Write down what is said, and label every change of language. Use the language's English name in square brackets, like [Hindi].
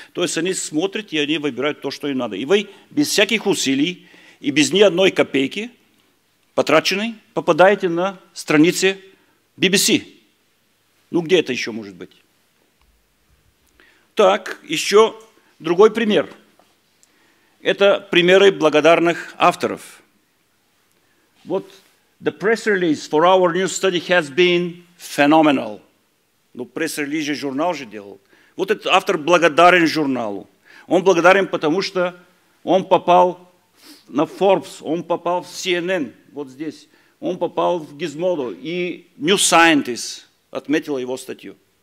[Russian] То есть они смотрят, и они выбирают то, что им надо. И вы без всяких усилий и без ни одной копейки потраченной попадаете на страницы BBC. Ну, где это еще может быть? Так, еще другой пример. Это примеры благодарных авторов. Вот [English] the press release for our new study has been phenomenal. [Russian] Ну, пресс-релиз же журнал же делал. Вот этот автор благодарен журналу. Он благодарен, потому что он попал на Forbes, он попал в CNN, вот здесь. Он попал в Gizmodo, и New Scientist отметила его статью.